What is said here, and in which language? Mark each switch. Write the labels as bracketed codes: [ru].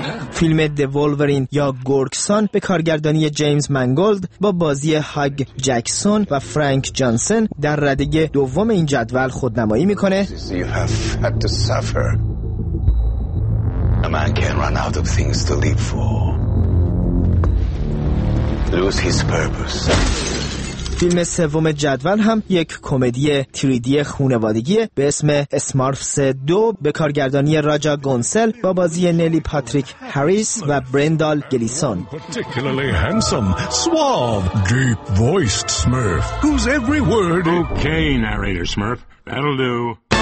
[fa] فیلم The Wolverine یا گورکسون به کارگردانی جیمز منگولد با بازی هاگ جکسون و فرانک جانسن در رده دوم این جدول خودنمایی میکنه. [en] Had to suffer. A man can run out of things to live for. Lose his purpose. [fa] فیلم سوم جدول هم یک کمدی 3D خانوادگی به اسم اسمارفز 2 به کارگردانی راجا گونسل با بازی نلی پاتریک هریس و برندال گلیسون. [en] Particularly handsome, suave, deep voiced Smurf, whose every word. Okay, narrator Smurf, that'll do.